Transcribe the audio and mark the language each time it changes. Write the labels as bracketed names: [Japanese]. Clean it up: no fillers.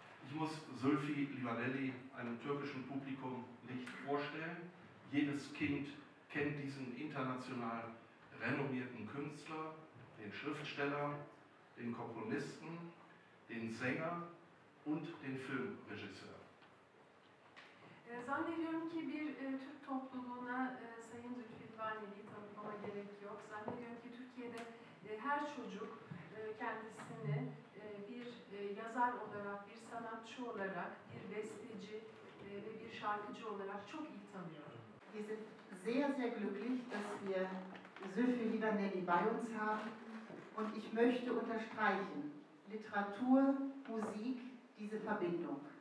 [German] Ich muss Zülfü Livaneli einem türkischen Publikum nicht vorstellen. Jedes Kind kennt diesen international renommierten Künstler, den Schriftsteller, den Komponisten, den Sänger und den Filmregisseur. [Turkish] Zannediyorum ki bir Türk topluluğuna Sayın Zülfü Livaneli'yi tanıtmama gerek yok. Zannediyorum ki Türkiye'de her çocuk kendisini bir yazar olarak, bir sanatçı olarak, bir besteci ve bir şarkıcı olarak çok iyi tanıyor. [German] Wir sind sehr, sehr glücklich, dass wir Zülfü Livaneli bei uns haben. Und ich möchte unterstreichen, Literatur, Musik, diese Verbindung.